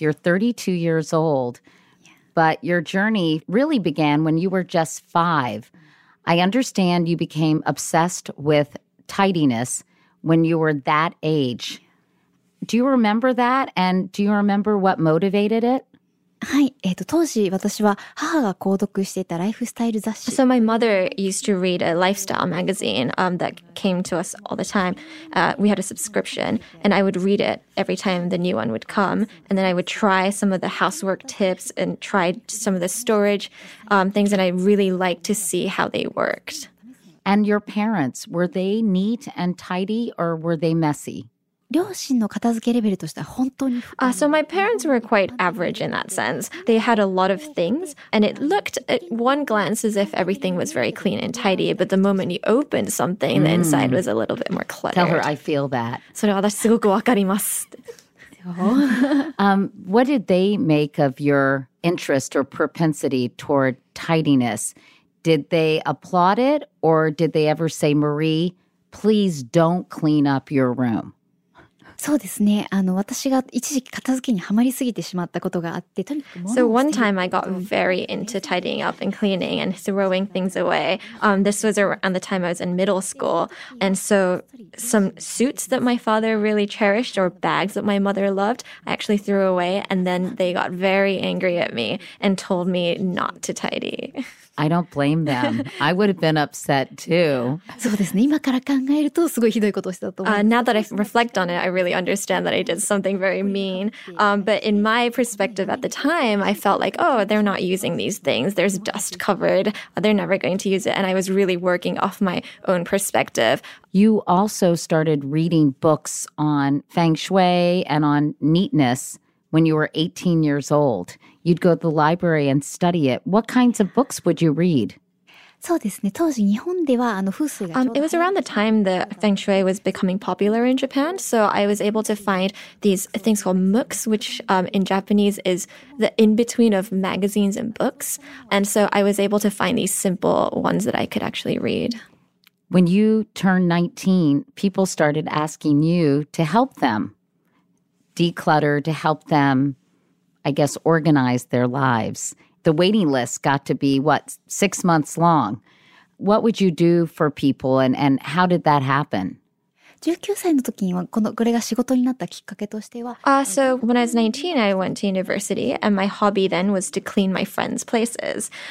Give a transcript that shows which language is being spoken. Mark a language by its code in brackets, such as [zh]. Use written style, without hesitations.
[en] You're 32 years old, but your journey really began when you were just 5. I understand you became obsessed with tidiness when you were that age. Do you remember that? And do you remember what motivated it? [ja] はい、当時私は母が購読していたライフスタイル雑誌。 [en] So my mother used to read a lifestyle magazine that came to us all the time. We had a subscription and I would read it every time the new one would come. And then I would try some of the housework tips and try some of the storage things and I really liked to see how they worked. And your parents, were they neat and tidy or were they messy? [ja] 両親の片付けレベルとしては本当に深い。 [en] So my parents were quite average in that sense. They had a lot of things, and it looked at one glance as if everything was very clean and tidy, but the moment you opened something, the inside was a little bit more cluttered. Tell her I feel that. [ja] それは私すごくわかります。 [en] What did they make of your interest or propensity toward tidiness? Did they applaud it, or did they ever say, Marie, please don't clean up your room? [ja] そうですね。私が一時期片付けにはまりすぎてしまったことがあって、とにかく [en] So one time I got very into tidying up and cleaning and throwing things away. This was around the time I was in middle school. And so some suits that my father really cherished or bags that my mother loved, I actually threw away and then they got very angry at me and told me not to tidy. I don't blame them. I would have been upset too. [ja] そうですね。今から考えるとすごいひどいことをしたと思う。 [en] Now that I reflect on it, I really understand that I did something very mean. But in my perspective at the time, I felt like, oh, they're not using these things. There's dust covered. They're never going to use it. And I was really working off my own perspective. You also started reading books on feng shui and on neatness when you were 18 years old. You'd go to the library and study it. What kinds of books would you read? [ja] そうですね。当時日本では風水が。 [en] It was around the time that feng shui was becoming popular in Japan, so I was able to find these things called mooks, which in Japanese is the in-between of magazines and books. And so I was able to find these simple ones that I could actually read. When you turned 19, people started asking you to help them declutter, to help them... I guess, organize their lives. The waiting list got to be, what, 6 months long. What would you do for people and how did that happen? [ja] 19歳の時にはこのこれが仕事になったきっかけとしては [en] So when I was 19, I went to university and my hobby then was to clean my friends' places.